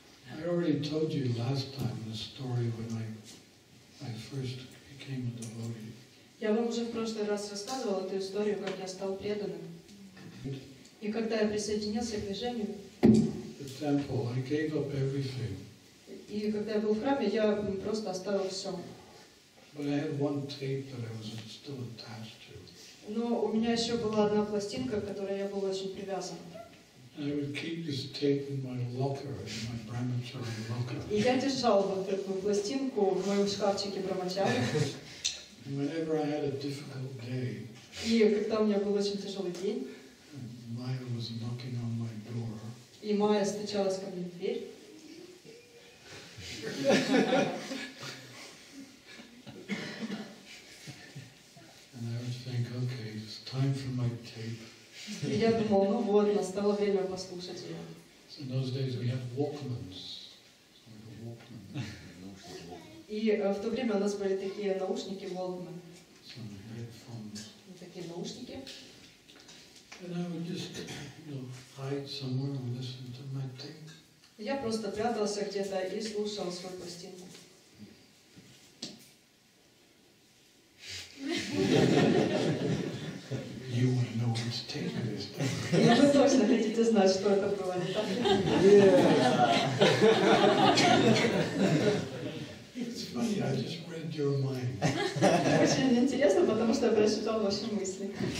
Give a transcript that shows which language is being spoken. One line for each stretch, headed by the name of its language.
English: I already told you last time the story when I first became a devotee.
Russian: Я вам уже в прошлый раз рассказывал эту историю, как я стал преданным. И когда я присоединился к движению.
English: The temple. I gave up everything.
Russian: И когда я был в храме, я просто оставил все.
English: But I had one tape that I was still attached to.
Russian: Но у меня еще была одна пластинка, к которой я был очень привязан.
English: I would keep this tape in my locker, in my brahmachari locker.
Russian: И я держал вот эту пластинку в моем шкафчике брахмачари.
English: Whenever I had a difficult day.
Russian: И когда у меня был очень тяжелый день.
English: And Maya was knocking on my door.
Russian: И Майя стучалась ко мне в дверь.
English: And I would think, okay, it's time for my tape.
Russian: И я думал, ну вот, настало время послушать ее.
English: So in those days we had Walkmans. Like
Russian: И в то время у нас были такие наушники Walkman.
English: So from the headphones.
Russian: Такие наушники.
English: And I would just, you know, hide somewhere and listen to my tape.
Russian: Я просто прятался где-то и слушал свою пластинку.
English: You want to know whose tape it is?
Russian: Я бы точно хотите знать, что это было.
English: Yeah. It's funny. I just read your mind.
Russian: Очень интересно, потому что я прочитал ваши мысли.